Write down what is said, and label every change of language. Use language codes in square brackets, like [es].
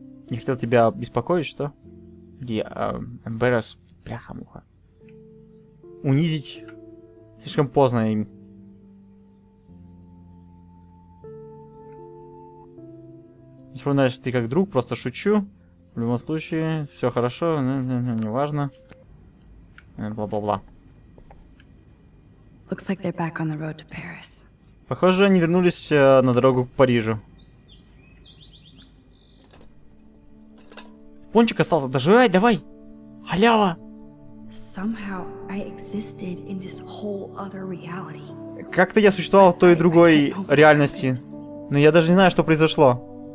[ru] Не хотел тебя беспокоить, что? Или embarrass, пляха-муха. Унизить. Слишком поздно им. Вспоминаешь, ты как друг, просто шучу. В любом случае, все хорошо, не важно. Бла-бла-бла. [en] Looks like they're back on the road to Paris. [ru] Похоже, они вернулись на дорогу к Парижу. Пончик остался, дожирай, давай! Халява! [en] Somehow I existed in this whole other reality. [ru] Как-то я существовал в той и другой реальности. Но я даже не знаю, что произошло.